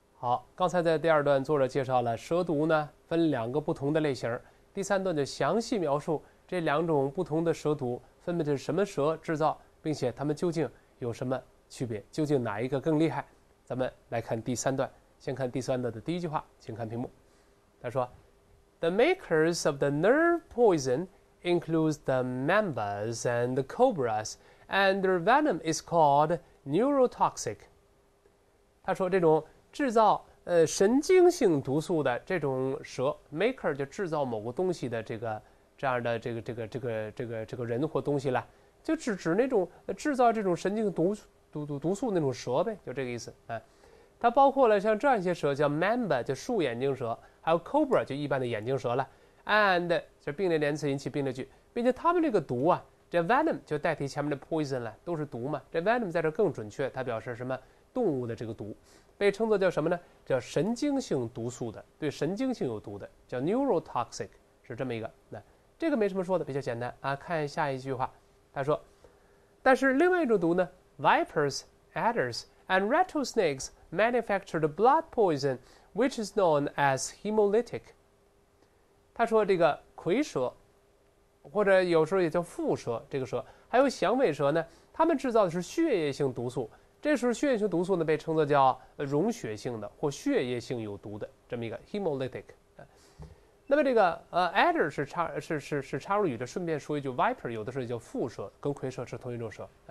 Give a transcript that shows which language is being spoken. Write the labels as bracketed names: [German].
[Chinese] 好，刚才在第二段作者介绍了蛇毒呢，分两个不同的类型。第三段就详细描述这两种不同的蛇毒分别是什么蛇制造，并且它们究竟有什么区别，究竟哪一个更厉害？咱们来看第三段，先看第三段的第一句话，请看屏幕。他说：“ [English] The makers of the nerve poison includes the mambas and the cobras, and their venom is called neurotoxic。 [Chinese] ”他说这种。制造神经性毒素的这种蛇 maker 就制造某个东西的这个这样的这个人或东西了，就指那种制造这种神经毒素那种蛇呗，就这个意思啊。它包括了像这样一些蛇叫 mamba 就竖眼睛蛇，还有 cobra 就一般的眼睛蛇了，and 就并列连词引起并列句，并且它们这个毒啊，这 venom 就代替前面的 poison 了，都是毒嘛。这 venom 在这更准确，它表示什么动物的这个毒。被称作叫什么呢？叫神经性毒素的，对神经性有毒的，叫 neurotoxic，是这么一个。那这个没什么说的，比较简单啊。看下一句话，他说：“但是另外一种毒呢， [English] vipers, adders, and rattlesnakes manufacture the blood poison, which is known as hemolytic。” [Chinese] 他说这个蝰蛇，或者有时候也叫蝮蛇，这个蛇还有响尾蛇呢，它们制造的是血液性毒素。这时候，血液性毒素呢被称作叫溶血性的或血液性有毒的这么一个 hemolytic。那么这个adder 是插入语的，顺便说一句 ，viper 有的时候叫蝮蛇，跟蝰蛇是同一种蛇。